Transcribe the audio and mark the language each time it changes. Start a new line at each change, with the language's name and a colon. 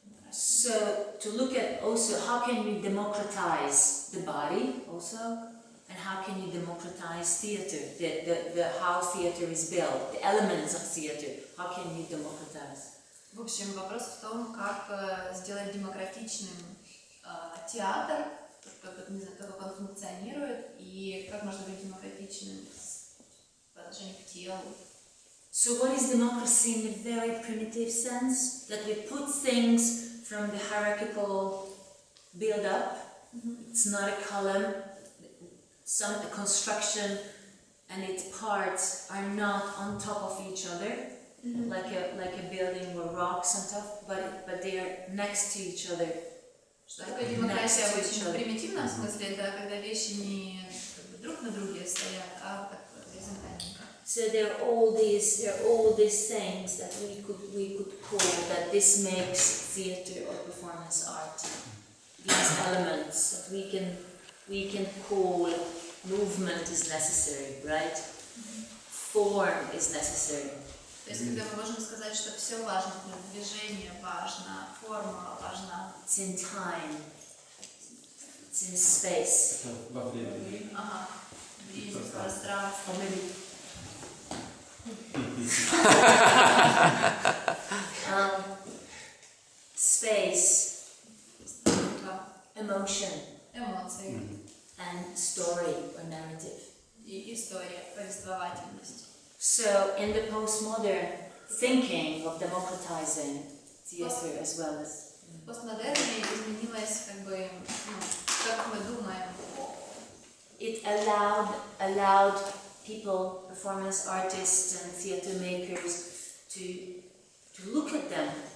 English: So to look at also how can we democratize the body also. And how can you democratize theater? The how theater is built, the elements of theater. How can you democratize?
Russian: В общем, вопрос в том, как сделать демократичным театр, как он функционирует, и как можно быть демократичным по отношению к телу.
English: So what is democracy in a very primitive sense? That we put things from the hierarchical build-up. Mm-hmm. It's not a column. Some the construction and its parts are not on top of each other, mm-hmm. like a building or rocks on top, but they are next to each other.
Russian: Что такое демократия в очень примитивном смысле? Это когда вещи не как бы друг на друге стоят, а так горизонтально.
English: So there are all these things that we could call that this makes theater or performance art. Mm-hmm. elements. We can call movement is necessary, right? Form is necessary.
Russian: То есть когда мы можем сказать, что все важно, движение важно, форма важна.
English: It's in time. It's in space.
Russian: Во времени. Ага. И в пространстве.
English: Space. Emotion.
Russian: Эмоции.
English: And story or narrative.
Russian: И история, повествовательность.
English: So in the postmodern thinking of democratizing theater as well as
Russian: постмодерн изменилось как бы, как мы думаем.
English: It allowed people, performance artists and theater makers to look at them.